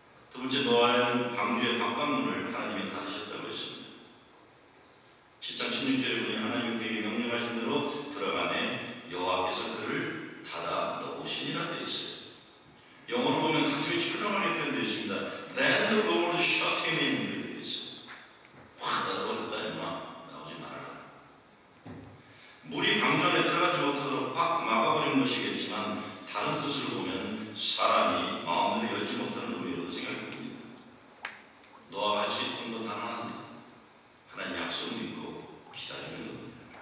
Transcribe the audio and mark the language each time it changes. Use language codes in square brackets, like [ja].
[ko] 두 번째, 노아는 방주의 방관문을 하나님이 닫으셨다고 했습니다. 7장 16절에 보니 하나님은 그에게 명령하신 대로 들어가네 여호와 앞에서 그를 닫아 놓으시니라 되어 있어요. 영어로 보면 가슴이 철렁하게 표현되어 있습니다. [en] Then the Lord shut him in. [ko] 확 닫아버렸다 임마. 나오지 말아라. 물이 방주 안에 들어가지 못하도록 확 막아버린 것이겠지만 다른 뜻으로 보면 사람이 마음을 열지 못하는 의미로 생각됩니다. 너와 할 수 있는 것 하나입니다. 하나님 약속을 믿고 기다리는 겁니다.